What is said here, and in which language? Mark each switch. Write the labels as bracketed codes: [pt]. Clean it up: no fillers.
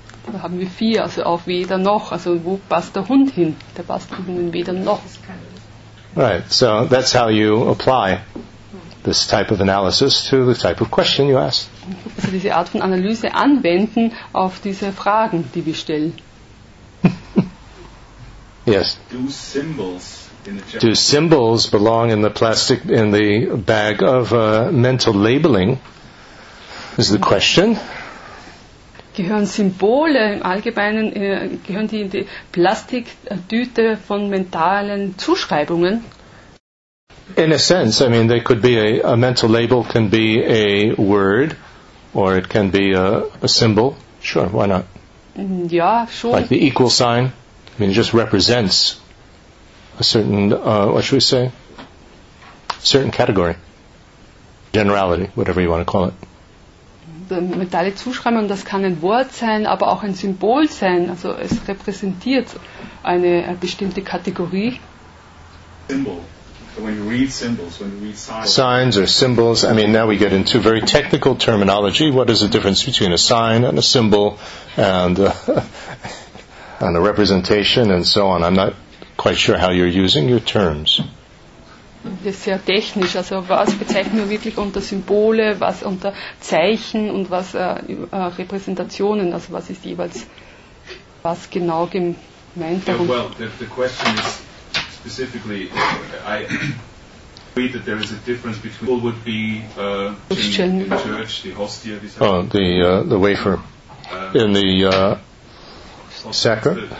[de] Da haben wir vier, also auch weder noch. Also wo passt der Hund hin? Der passt eben in weder noch. [en] Right, so that's how you apply this type of analysis to the type of question you ask. [de] Also diese Art von Analyse anwenden auf diese Fragen, die wir stellen. [en] Yes. Do symbols belong in the plastic, in the bag of mental labeling? Is the question. [de] Gehören Symbole im Allgemeinen, gehören die in die Plastiktüte von mentalen Zuschreibungen? [en] In a sense, I mean, they could be a mental label can be a word or it can be a symbol. Sure, why not? [de] Ja, schon. [en] Like the equal sign. I mean, it just represents a certain, what should we say? Certain category. Generality, whatever you want to call it. [de] Metalle Zuschreibung, das kann ein Wort sein, aber auch ein Symbol sein. Also es repräsentiert eine bestimmte Kategorie. Symbol. [en] So when you read symbols, when you read signs. Signs or symbols. I mean, now we get into very technical terminology. What is the difference between a sign and a symbol and and a representation and so on? I'm not quite sure how you're using your terms. [de] Das ist sehr technisch, also was bezeichnen wir wirklich unter Symbole, was unter Zeichen und was Repräsentationen, also was ist jeweils was genau gemeint darum. [en] Well, the question is specifically, I agree that there is a difference between what would be in church, the hostia, the wafer, in the sacrament.